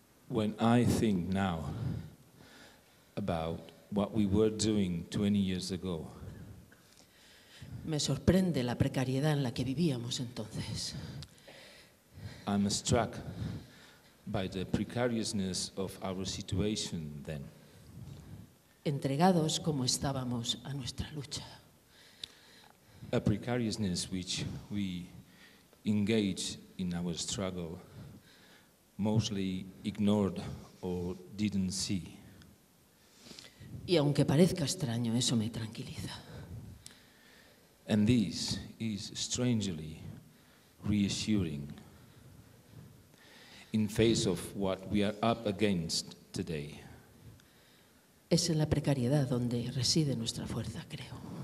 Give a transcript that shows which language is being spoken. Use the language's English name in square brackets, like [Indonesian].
[English] When I think now about what we were doing 20 years ago. [Spanish] Me sorprende la precariedad en la que vivíamos entonces. [English] I'm struck by the precariousness of our situation then. [Spanish] Entregados como estábamos a nuestra lucha. [English] A precariousness which we engaged in our struggle, mostly ignored or didn't see. [Spanish] Y aunque parezca extraño, eso me tranquiliza. [English] And this is strangely reassuring in face of what we are up against today. [Spanish] Es en la precariedad donde reside nuestra fuerza, creo.